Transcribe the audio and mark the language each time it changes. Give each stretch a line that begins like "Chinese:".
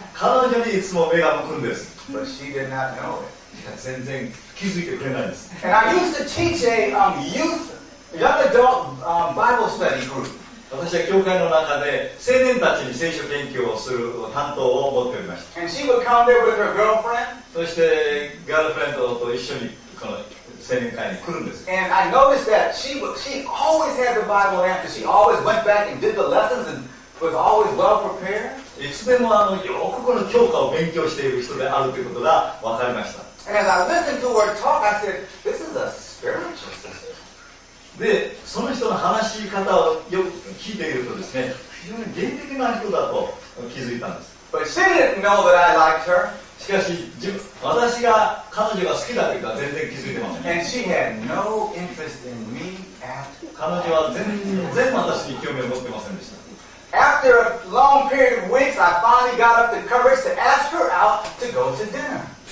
Japanese: 彼女にいつも目が向くんです。
English: But she did not know it.
Japanese: 全然気づいてくれないです。
English: And I used to teach a young adult Bible study group.
Japanese: 私は教会の中で青年たちに聖書研究をする担当を持っておりました。
English: And she would come there with her girlfriend.
Japanese: そして、ガールフレンドと一緒にこの青年会に来るんです。
English: And I noticed that she always had the Bible after. She always went back and did the lessons and was always well prepared.
Japanese: いつでもよくこの教科を勉強している人であるということが分かりました。
English: And as I listened to her talk, I said, this is a spiritual system.
Japanese: で、その人の話し方をよく聞いているとですね、非常に原理的な人だと気づいたんです。
English: But she didn't know that I liked her.
Japanese: しかし、私が彼女が好きだというのは全然気づいてません。
English: And she had no interest in me at all.
Japanese: 彼女は全然私に興味を持っていませんでした。
English: After a long period of weeks, I finally got up the courage to ask her out to go to dinner.